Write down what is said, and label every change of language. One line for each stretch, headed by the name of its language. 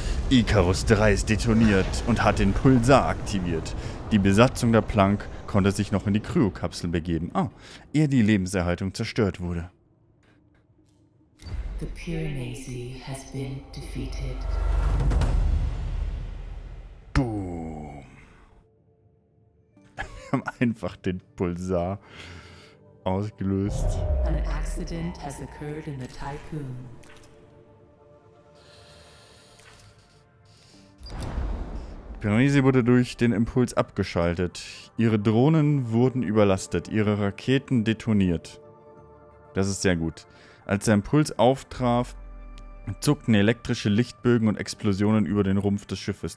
German: Icarus 3 ist detoniert und hat den Pulsar aktiviert. Die Besatzung der Plank konnte sich noch in die Kryokapsel begeben. Ah, ehe die Lebenserhaltung zerstört wurde.
English: The Piranesi has been defeated. Boom.
German: haben einfach den Pulsar ausgelöst.
English: An accident has occurred in the Tycoon.
German: Piranesi wurde durch den Impuls abgeschaltet. Ihre Drohnen wurden überlastet, ihre Raketen detoniert. Das ist sehr gut. Als der Impuls auftraf, zuckten elektrische Lichtbögen und Explosionen über den Rumpf des Schiffes.